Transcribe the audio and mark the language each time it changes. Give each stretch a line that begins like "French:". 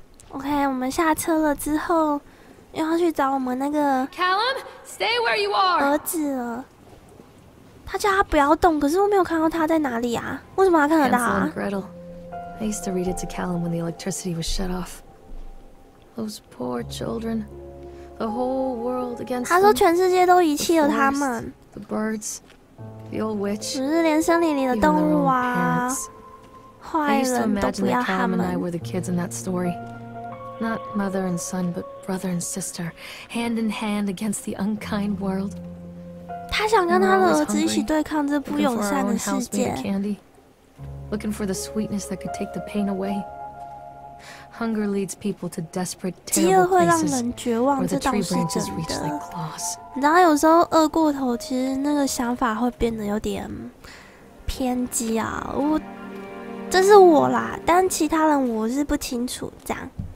Chinese: OK， 我们下车了之后，又要去找我们那个儿子了。他叫他不要动，可是我没有看到他在哪里啊？为什么他看得到啊
English: ？Hansel and Gretel. I used to read it to Callum when the electricity was shut off. Those poor children. The whole world against them.
Chinese: 他说全世界都遗弃了他们。
English: The birds. The old witch.
Chinese: 只是连森林里的动物啊，坏人都不要他们。
English: I used to imagine that Callum and I were the kids in that story. Not mother and son, but brother and sister, hand in hand against the unkind world.
Chinese: 他想跟他的儿子一起对抗这不友善的世界。
English: Looking for the sweetness that could take the pain away. Hunger leads people to desperate, terrible places.
Chinese: 饥饿会让人绝望，这倒是真的。然后有时候饿过头，其实那个想法会变得有点偏激啊。我这是我啦，但其他人我是不清楚这样。